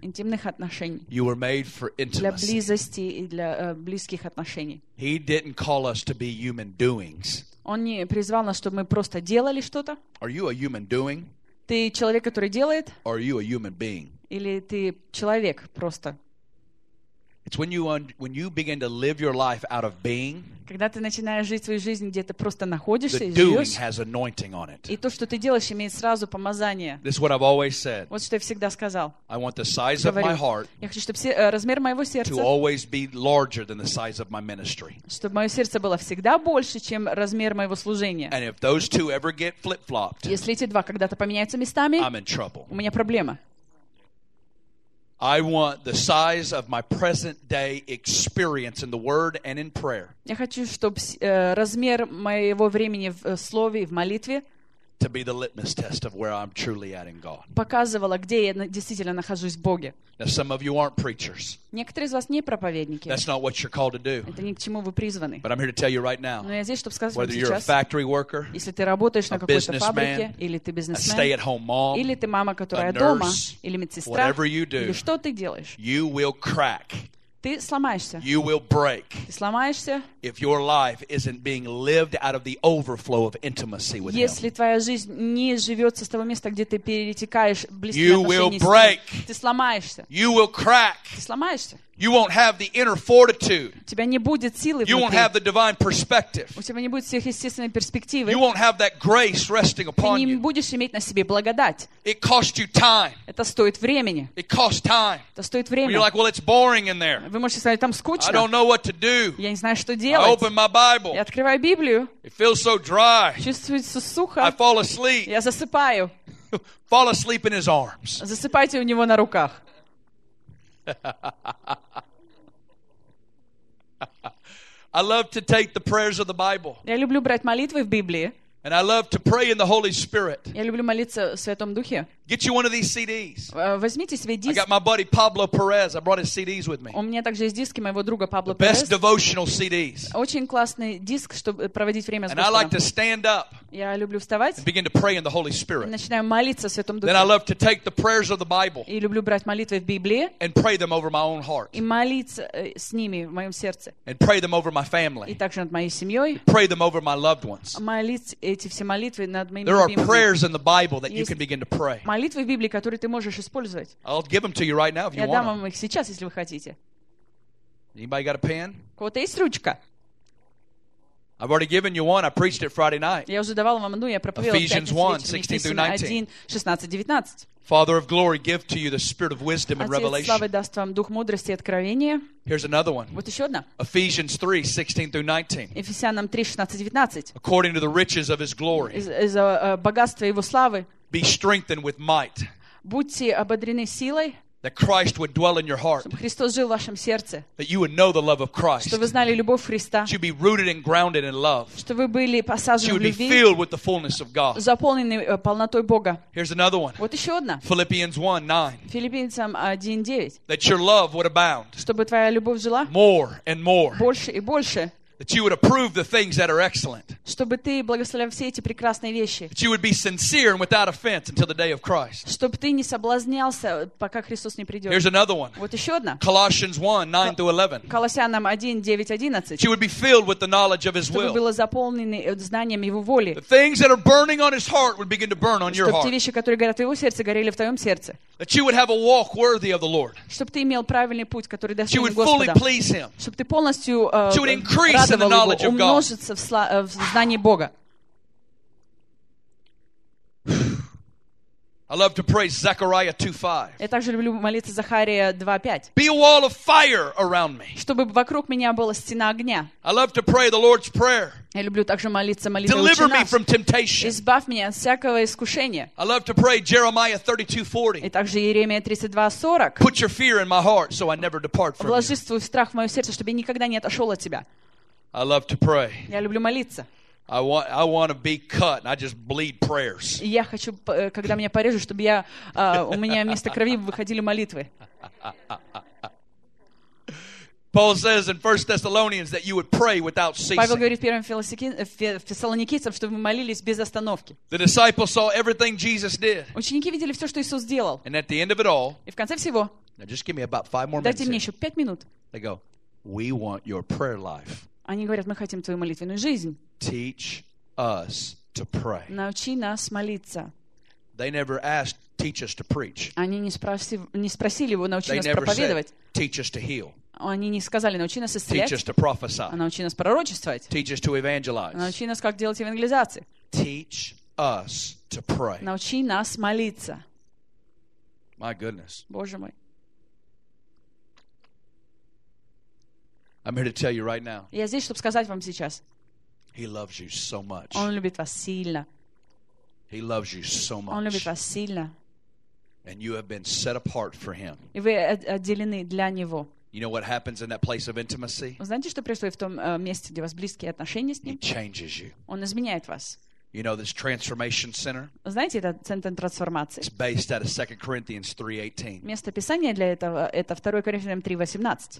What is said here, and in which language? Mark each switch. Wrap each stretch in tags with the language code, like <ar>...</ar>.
<ru>Интимных отношений.</ru> <en>You were made for intimacy.</en> <ru>Для близости и для близких отношений.</ru> <en>He didn't call us to be human doings.</en> <ru>Он не призвал нас, чтобы мы просто делали что-то.</ru> <en>Are you a human doing?</en> <ru>Ты человек, который делает?</ru> <en>Or are you a human being?</en> <ru>Или ты человек просто?</ru> <en>It's when you begin to live your life out of being.</en> <ru>Когда ты начинаешь жить свою жизнь, где ты просто находишься</ru> <en>the</en> <ru>и живешь,</ru> <en>has anointing on it.</en> <ru>И то, что ты делаешь, имеет сразу помазание.</ru> <en>This is what I've always said.</en> <ru>Вот что я всегда сказал.</ru> <en>I want the size of my heart.</en> <ru>Я хочу, чтобы размер моего сердца</ru> <en>to always be larger than the size of my ministry.</en> <ru>Чтобы мое сердце было всегда больше, чем размер моего служения.</ru> <en>And if those two ever get flip-flopped,</en> <ru>если эти два когда-то поменяются местами,</ru> <en>I'm in trouble.</en> <ru>У меня проблема.</ru> <en>I want the size of my present day experience in the word and in prayer.</en> <ru>Я хочу, чтобы размер моего времени в слове и в молитве</ru> <en>to be the litmus test of where I'm truly at in God.</en> <ru>Показывало, где я действительно нахожусь в Боге.</ru> <en>Now, some of you aren't preachers.</en> <ru>Некоторые из вас не проповедники.</ru> <en>That's not what you're called to do.</en> <ru>Это не к чему вы призваны.</ru> <en>But I'm here to tell you right now.</en> <ru>Но я здесь, чтобы сказать вам сейчас.</ru> <en>Whether you're a factory worker,</en> <ru>если ты работаешь на какой-то фабрике, или ты бизнесмен,</ru> <en>a stay-at-home mom,</en> <ru>или ты мама, которая дома, или медсестра,</ru> <en>whatever you do,</en> <ru>или что ты делаешь,</ru> <en>you will crack.</en> <ru>Ты сломаешься.</ru> <en>You will break.</en> <ru>Ты сломаешься.</ru> <en>If your life isn't being lived out of the overflow of intimacy with Him.</en> <ru>Если твоя жизнь не живется с того места, где ты перетекаешь близкие отношения.</ru> <en>You will break.</en> <ru>Ты сломаешься.</ru> <en>You will crack.</en> <ru>Ты сломаешься.</ru> <en>You won't have the inner fortitude.</en> <ru>У тебя не будет силы внутри.</ru> <en>You won't have the divine perspective.</en> <ru>У тебя не будет сверхъестественной перспективы.</ru> <en>You won't have that grace resting upon you.</en> <ru>Ты не будешь иметь на себе благодать.</ru> <en>It costs you time.</en> <ru>Это стоит времени.</ru> <en>It costs time.</en> <ru>Это стоит время.</ru> <en>You're like, well, it's boring in there.</en> <ru>Вы можете сказать, там скучно.</ru> <en>I don't know what to do.</en> <ru>Я не знаю, что делать.</ru> <en>I open my Bible.</en> <ru>Я открываю Библию.</ru> <en>It feels so dry.</en> <ru>Чувствуется сухо.</ru> <en>I fall asleep.</en> <ru>Я засыпаю.</ru> <en>Fall asleep in His arms.</en> <ru>Засыпайте у него на руках.</ru> <en>I love to take the prayers of the Bible.</en> <ru>Я люблю брать молитвы в Библии.</ru> <en>And I love to pray in the Holy Spirit.</en> <ru>Я люблю молиться в Святом Духе.</ru> <en>Get you one of these CDs.</en> <ru>Возьмите себе диск.</ru> <en>I got my buddy Pablo Perez. I brought his CDs with me.</en> <ru>У меня также есть диски моего друга Пабло</ru> <en>Перес. Best devotional CDs.</en> <ru>Очень классный диск, чтобы проводить время с Господом.</ru> <en>And I like to stand up.</en> <ru>Я люблю вставать.</ru> <en>And begin to pray in the Holy Spirit.</en> <ru>Начинаю молиться в Святом Духе.</ru> <en>Then I love to take the prayers of the Bible.</en> <ru>И люблю брать молитвы в Библии.</ru> <en>And pray them over my own heart.</en> <ru>И молиться с ними в моем сердце.</ru> <en>And pray them over my family.</en> <ru>И также над моей семьей.</ru> <en>Pray them over my loved ones.</en> <ru>Молиться эти все молитвы над моими.</ru> <en>There are prayers in the Bible that you can begin to pray.</en> <ru>Молитвы в Библии, которые ты можешь использовать.</ru> <en>I'll give them to you right now if you want.</en> <ru>Я дам вам их сейчас, если вы хотите.</ru> <en>Anybody got a pen?</en> <ru>У кого-то есть ручка?</ru> <en>I've already given you one. I preached it Friday night.</en> <ru>Я уже давал вам одну, я проповедовал.</ru> <en>Ephesians 1:16-19. Father of glory, give to you the spirit of wisdom and revelation.</en> <ru>Отец славы даст вам дух мудрости и откровения.</ru> <en>Here's another one.</en> <ru>Вот еще одна.</ru> <en>Ephesians 3:16-19.</en> <ru>Ефесянам 3:16-19.</ru> <en>According to the riches of His glory.</en> <ru>Из-за богатства Его славы.</ru> <en>Be strengthened with might.</en> <ru>Будьте ободрены силой.</ru> <en>That Christ would dwell in your heart.</en> <ru>Чтобы Христос жил в вашем сердце.</ru> <en>That you would know the love of Christ.</en> <ru>Чтобы вы знали любовь Христа.</ru> <en>That you would be rooted and grounded in love.</en> <ru>Чтобы вы были посажены в любви.</ru> <en>You would be filled with the fullness of God.</en> <ru>Заполнены полнотой Бога.</ru> <en>Here's another one.</en> <ru>Вот еще одна.</ru> <en>Philippians 1:9.</en> <ru>Филиппийцам 1:9.</ru> <en>That your love would abound.</en> <ru>Чтобы твоя любовь жила.</ru> <en>More and more.</en> <ru>Больше и больше.</ru> <en>That you would approve the things that are excellent.</en> <ru>Чтобы ты благословлял все эти прекрасные вещи.</ru> <en>That you would be sincere and without offense until the day of Christ.</en> <ru>Чтобы ты не соблазнялся, пока Христос не придет.</ru> <en>Here's another one.</en> <ru>Вот еще одна.</ru> <en>Colossians 1:9-11.</en> <ru>Колоссянам 1:9-11.</ru> <en>You would be filled with the knowledge of His will.</en> <ru>Чтобы было заполнены знанием Его воли.</ru> <en>The things that are burning on His heart would begin to burn on your heart.</en> <ru>Чтобы те вещи, которые горят в Его сердце, горели в твоем сердце.</ru> <en>That you would have a walk worthy of the Lord.</en> <ru>Чтобы ты имел правильный путь, который достоин Господа.</ru> <en>You would fully please Him.</en> <ru>Чтобы ты полностью.</ru> <en>You would increase in the knowledge of God.</en> <ru>Умножиться в знании Бога.</ru> <en>I love to pray Zechariah 2:5.</en> <ru>Я также люблю молиться Захария 2:5.</ru> <en>Be a wall of fire around me.</en> <ru>Чтобы вокруг меня была стена огня.</ru> <en>I love to pray the Lord's prayer.</en> <ru>Я люблю также молиться молитвой Отче наш.</ru> <en>Deliver me from temptation.</en> <ru>Избавь меня от всякого искушения.</ru> <en>I love to pray Jeremiah 32:40.</en> <ru>И также Иеремия 32:40.</ru> <en>Put your fear in my heart, so I never depart from you.</en> <ru>Вложи свой страх в мое сердце, чтобы я никогда не отошел от тебя.</ru> <en>I love to pray.</en> <ru>Я люблю молиться.</ru> <en>I want to be cut. And I just bleed prayers.</en> <ru>Я хочу, когда меня порежут, чтобы я у меня вместо крови выходили молитвы.</ru> <en>Paul says in 1 Thessalonians that you would pray without ceasing.</en> <ru>Павел говорит в 1 Фессалоникийцам, чтобы мы молились без остановки.</ru> <en>The disciples saw everything Jesus did.</en> <ru>Ученики видели все, что Иисус сделал.</ru> <en>And at the end of it all.</en> <ru>И в конце всего.</ru> <en>Now just give me about 5 more minutes.</en> <ru>Дайте мне еще 5 минут.</ru> <en>They go, we want your prayer life.</en> <ru>Они говорят, мы хотим твою молитвенную жизнь.</ru> <en>Teach us to pray.</en> <ru>Научи нас молиться.</ru> <en>They never asked, teach us to preach.</en> <ru>Они не спросили его, научи нас проповедовать.</ru> <en>Teach us to heal.</en> <ru>Они не сказали, научи нас исцелять. А научи нас пророчествовать.</ru> <en>Teach us to evangelize.</en> <ru>Научи нас, как делать евангелизации.</ru> <en>Teach us to pray.</en> <ru>Научи нас молиться.</ru> <en>My goodness.</en> <ru>Боже мой.</ru> <en>I'm here to tell you right now.</en> <ru>Я здесь, чтобы сказать вам сейчас.</ru> <en>He loves you so much.</en> <ru>Он любит вас сильно.</ru> <en>He loves you so much.</en> <ru>Он любит вас сильно.</ru> <en>And you have been set apart for him.</en> <ru>И вы отделены для него.</ru> <en>You know what happens in that place of intimacy?</en> <ru>Вы знаете, что происходит в том месте, где у вас близкие отношения с ним?</ru> <en>He changes you.</en> <ru>Он изменяет вас.</ru> <en>You know this transformation center?</en> <ru>Знаете этот центр трансформации?</ru> <en>It's based out of 2 Corinthians 3:18.</en> <ru>Место писания для этого это 2 Коринфянам 3:18.</ru>